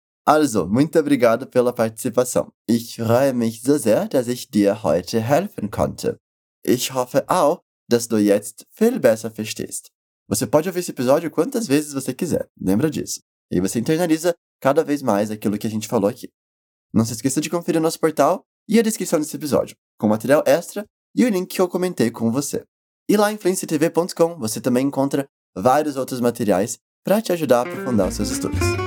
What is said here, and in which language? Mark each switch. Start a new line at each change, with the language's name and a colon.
Portuguese: Also, muito obrigado pela participação.
German: Ich freue mich so sehr, dass ich dir heute helfen konnte. Ich hoffe auch, dass du jetzt viel besser verstehst.
Portuguese: Você pode ouvir esse episódio quantas vezes você quiser, lembra disso. E você internaliza cada vez mais aquilo que a gente falou aqui. Não se esqueça de conferir nosso portal e a descrição desse episódio, com material extra e o link que eu comentei com você. E lá em fluencytv.com você também encontra vários outros materiais para te ajudar a aprofundar os seus estudos.